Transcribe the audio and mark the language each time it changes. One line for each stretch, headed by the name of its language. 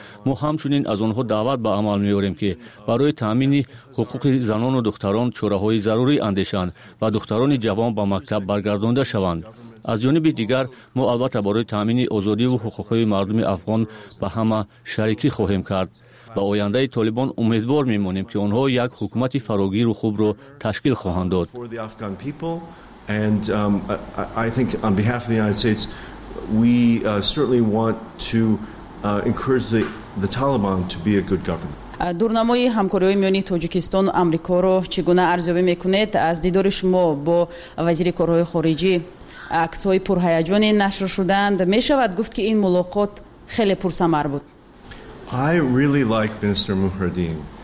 Persian: ما همچنین از آنها دعوت به عمل میاریم که برای تامین حقوق زنان و دختران چاره های ضروری اندیشند و دختران جوان به مکتب برگردانده شوند. از جانب دیگر ما البته برای تامین آزادی و حقوق مردم افغان به همه شریکی خواهیم کرد. با آینده طالبان امیدوار میمانیم که آنها یک حکومت فراگیر و خوب را تشکیل خواهند داد.
English: And I think on behalf of the United States, we certainly want to encourage the Taliban to be a good government.
Persian: دورنمای همکاری میانی تاجیکستان و آمریکا را چگونه ارزیابی میکنید؟ از دیدار شما با وزیر کارهای خارجی عکس های پرهیجان نشر شدند. میشود گفت که این ملاقات خیلی پرثمر بود.
English: I really like Minister Mohreddin.